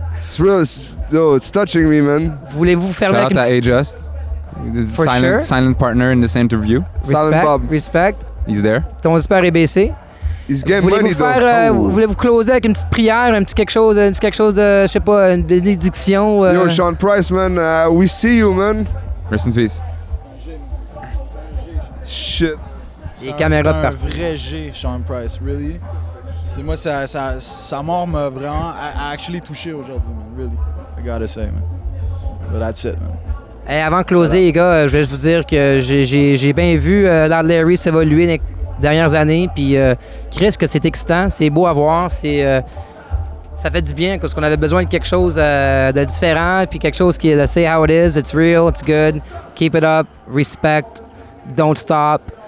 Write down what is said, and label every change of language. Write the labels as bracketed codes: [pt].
[en] It's touching me, man. [fr] Voulez-vous faire [en] shout out to Ajust. For silent, sure. Silent partner in this interview. Respect. Bob. Respect. He's there. [fr] Ton espoir est baissé. [en] He's getting money, though. [fr] Voulez-vous closer avec une petite prière, un petit quelque chose de, je sais pas, une bénédiction? [en] Yo, Sean Price, man, we see you, man. Rest in peace. Shit. [fr] Les caméras partent. C'est un vrai G, Sean Price, really? C'est moi, sa mort m'a vraiment actually touché aujourd'hui, man. [en] Really, I gotta say, man. But that's it, man. [fr] Hey, avant de closer, les gars, je vais juste vous dire que j'ai bien vu Lord Lary s'évoluer dans les dernières années. Puis, Chris, que c'est excitant, c'est beau à voir. Ça fait du bien parce qu'on avait besoin de quelque chose de différent. Puis, quelque chose qui est de [en] say how it is, it's real, it's good. Keep it up, respect, don't stop.